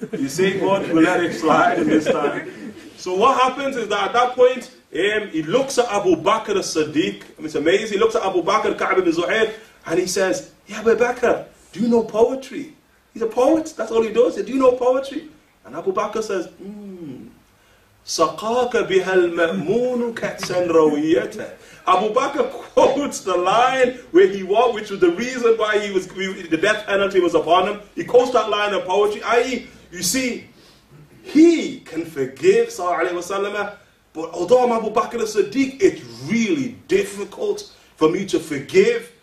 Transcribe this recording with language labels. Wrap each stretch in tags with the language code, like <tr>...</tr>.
<en>You see, God, we'll let it slide this time. So what happens is that at that point, he looks at Abu Bakr as-Siddiq. It's amazing. He looks at Abu Bakr, Ka'ab ibn Zuhair, and he says, yeah, Abu Bakr, do you know poetry? He's a poet. That's all he does. He says, do you know poetry? And Abu Bakr says,</en> <ar>سقاك بها المأمون كأسا رويته.</ar> <en>Abu Bakr quotes the line where he walked, which was the reason why he was the death penalty was upon him. He quotes that line of poetry, i.e., you see, he can forgive Sallallahu Alaihi Wasallam, but although I'm Abu Bakr al-Siddiq, it's really difficult for me to forgive.</en>